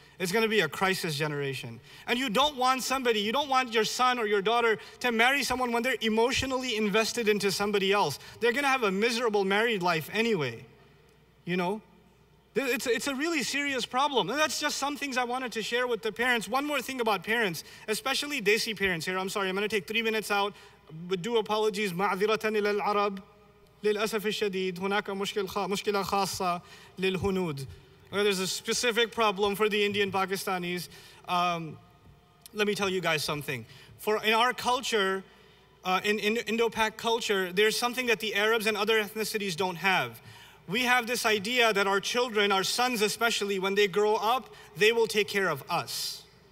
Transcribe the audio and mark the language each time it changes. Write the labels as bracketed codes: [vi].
[en] It's gonna be a crisis generation. And you don't want somebody, you don't want your son or your daughter to marry someone when they're emotionally invested into somebody else. They're gonna have a miserable married life anyway, you know? It's a really serious problem. And that's just some things I wanted to share with the parents. One more thing about parents, especially Desi parents here. I'm sorry, I'm gonna take 3 minutes out. [ar] بدو apologies معذرة للعرب للأسف الشديد هناك مشكلة خاصة للهنود. [en] There's a specific problem for the Indian Pakistanis. Let me tell you guys something. For in our culture, in Indo-Pak culture, there's something that the Arabs and other ethnicities don't have. We have this idea that our children, our sons especially, when they grow up, they will take care of us.